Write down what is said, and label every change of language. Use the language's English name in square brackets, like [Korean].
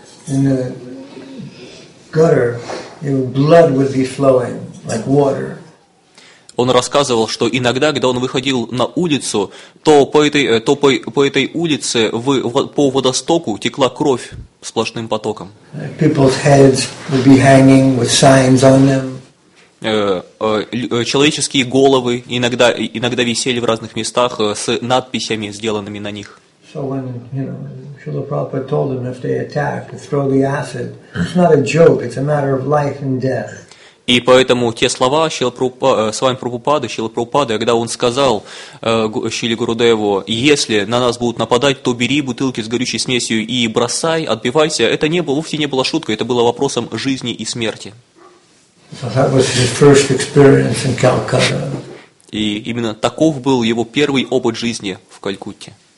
[English] In the gutter, blood would be flowing like water. [Russian] Он рассказывал, что иногда, когда он выходил на улицу, то по этой улице по водостоку текла кровь сплошным потоком. [English] People's heads would be hanging with signs on them. [Russian] Человеческие головы иногда висели в разных местах с надписями, сделанными на них. [English] So when, Srila Prabhupada told them if they attack, to throw the acid. It's not a joke, it's a matter of life and death. [Russian] И поэтому те слова Шрилы Прабхупады, когда он сказал Шриле Гурудеву, если на нас будут нападать, то бери бутылки с горючей смесью и бросай, отбивайся, это вовсе не было шуткой, это было вопросом жизни и смерти. [English] So that was his first experience in Calcutta. [Russian] И именно таков был его первый опыт жизни в Калькутте.